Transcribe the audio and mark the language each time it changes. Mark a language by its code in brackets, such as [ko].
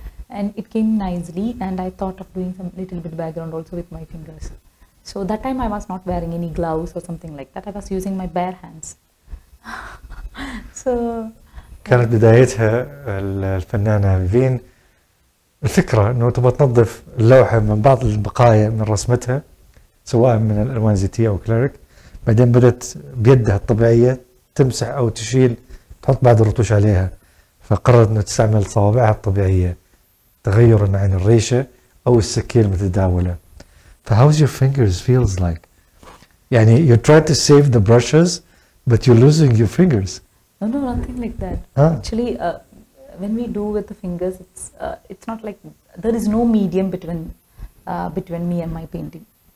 [en] And I thought of doing some little bit background also with my fingers. So that time I was not wearing any gloves or something like that. I was using my bare hands. So [ar] كانت بدايتها الفنانة فين الفكرة انه تبغى تنظف اللوحة من بعض البقايا من رسمتها سواء من الالوان زيتية او كليريك، بعدين بدأت بيدها الطبيعية تمسح او تشيل تحط بعض الرتوش عليها، فقررت انه تستعمل صوابعها الطبيعية تغيرا عن الريشة او السكين المتداولة. [en] ف how's your fingers feels like؟ [ar] يعني [en] you try to save the brushes but you're losing your fingers. No, nothing like that. Actually, when we do with the fingers, it's not like there is no medium between me and my painting.